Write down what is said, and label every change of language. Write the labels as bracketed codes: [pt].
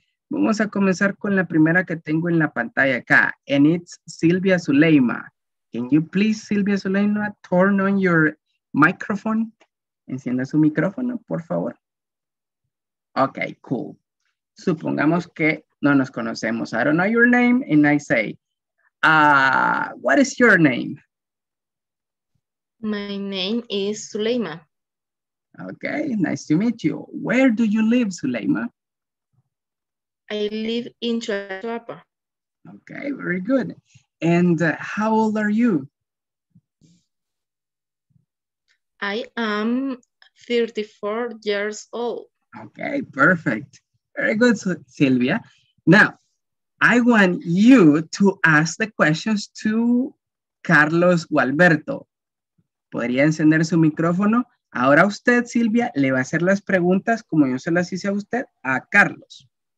[es] Vamos a comenzar con la primera que tengo en la pantalla acá. [en] And it's Silvia Zuleima. Can you please, Silvia Zuleima, turn on your microphone? [es] Encienda su micrófono, por favor. [en] Okay, cool. [es] Supongamos que no nos conocemos. [en] I don't know your name and I say, what is your name? My name is Zuleima. Okay, nice to meet you. Where do you live, Zuleima? I live in Chuapa. Okay, very good. And how old are you? I am 34 years old. Okay, perfect. Very good, Silvia. Now, I want you to ask the questions to Carlos Gualberto. [es] ¿Podría encender su micrófono? Ahora usted, Silvia, le va a hacer las preguntas como yo se las hice a usted, a Carlos.